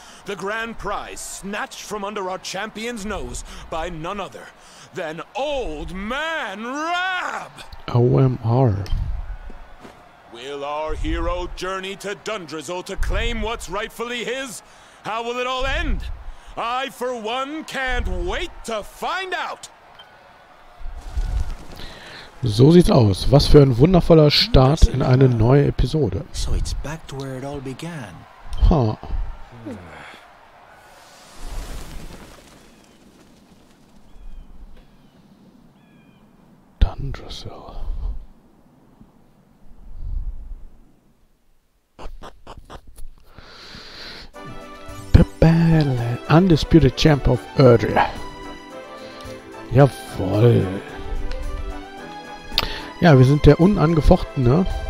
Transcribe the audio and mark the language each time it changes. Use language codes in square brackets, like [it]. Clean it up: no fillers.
[en] The grand prize snatched from under our champion's nose by none other than Old Man Rab! OMR. Will our hero journey to Dundrasil to claim what's rightfully his? How will it all end? I, for one, can't wait to find out! [de] So sieht's aus. Was für ein wundervoller Start in eine neue Episode. [en] So it's back to where it all began. Huh. Dundrasil. The battle, undisputed champ of Erdria. [de] Jawoll. Ja, wir sind der Unangefochtene.